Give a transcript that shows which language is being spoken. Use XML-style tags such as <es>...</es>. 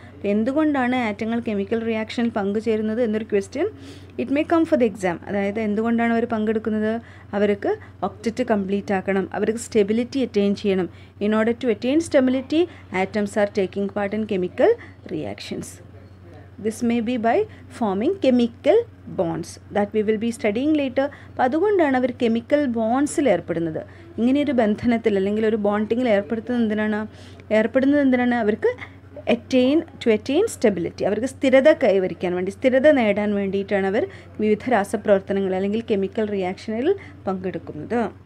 <ml>അപ്പോൾ എന്തുകൊണ്ടാണ് ആറ്റങ്ങൾ കെമിക്കൽ റിയാക്ഷനിൽ പങ്കുചേരുന്നത് എന്നൊരു question</ml> <en>It may come for the exam.</en> <ml>അതായത് എന്തുകൊണ്ടാണ് അവർ പങ്കെടുക്കുന്നത്, അവർക്ക് ഒക്ടറ്റ് കംപ്ലീറ്റ് ആക്കണം, അവർക്ക് സ്റ്റെബിലിറ്റി അറ്റെയിൻ ചെയ്യണം.</ml> <en>In order to attain stability atoms are taking part in chemical reactions. This may be by forming chemical bonds that we will be studying later.</en> <ml>അപ്പോൾ അതുകൊണ്ടാണ് അവർ chemical ബോൺസിൽ ഏർപ്പെടുന്നത്. ഇങ്ങനെയൊരു ബന്ധനത്തിൽ അല്ലെങ്കിൽ ഒരു ബോണ്ടിങ്ങിൽ ഏർപ്പെടുന്നത് എന്തിനാണ് അവർക്ക്</ml> <en>to attain stability,</en> <ml>അവർക്ക് സ്ഥിരത കൈവരിക്കാൻ വേണ്ടി, സ്ഥിരത നേടാൻ വേണ്ടിയിട്ടാണ് അവർ വിവിധ രാസപ്രവർത്തനങ്ങൾ അല്ലെങ്കിൽ കെമിക്കൽ റിയാക്ഷനിൽ പങ്കെടുക്കുന്നത്.</ml>